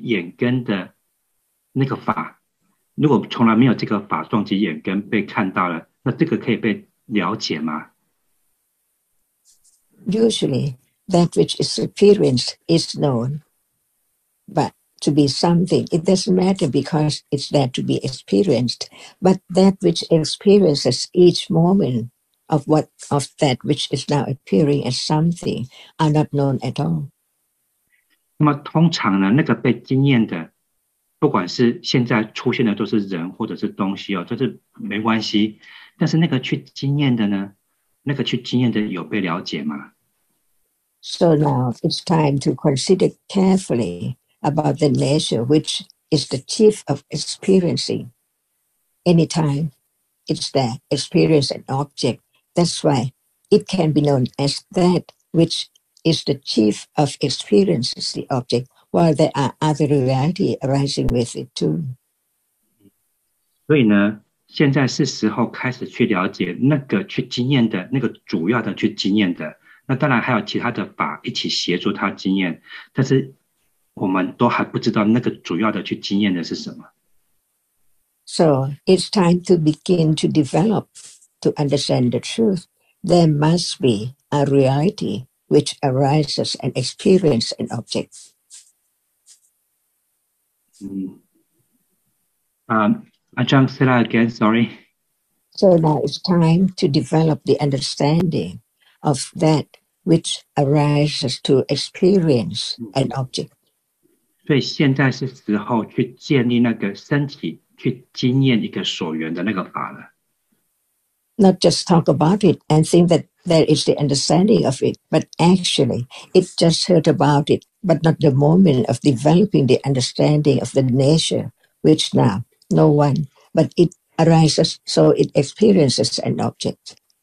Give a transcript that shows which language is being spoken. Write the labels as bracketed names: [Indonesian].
[Chinese] 那么如果没有那个去撞击眼根的那个法, 如果从来没有这个法撞击眼根被看到了, 那这个可以被 了解吗? [English] Usually, that which is appearance is known, but to be something, it doesn't matter because it's there to be experienced, but that which experiences each moment of what of that which is now appearing as something are not known at all. [Chinese] 那么通常呢, 那个被经验的, 不管是现在出现的都是人或者是东西哦, 这是没关系, 但是那个去经验的呢, 那个去经验的有被了解吗? [English] So now it's time to consider carefully about the nature which is the chief of experiencing. Anytime it's there, experience an object. That's why it can be known as that which is the chief of experiences the object, while there are other reality arising with it too. [Chinese] 所以呢, 现在是时候开始去了解那个去经验的,那个主要的去经验的, 那当然还有其他的法一起协助他经验, 但是我们都还不知道那个主要的去经验的是什么。 [English] So, it's time to begin to develop, to understand the truth. There must be a reality which arises and experiences an object. Ajahn, say that again, sorry. So now it's time to develop the understanding of that which arises to experience an object. [Chinese] 所以现在是时候去建立那个身体，去经验一个所缘的那个法了。 [English] Not just talk about it and think that there is the understanding of it, but actually, it just heard about it, but not the moment of developing the understanding of the nature, which now no one, but it arises, so it experiences an object.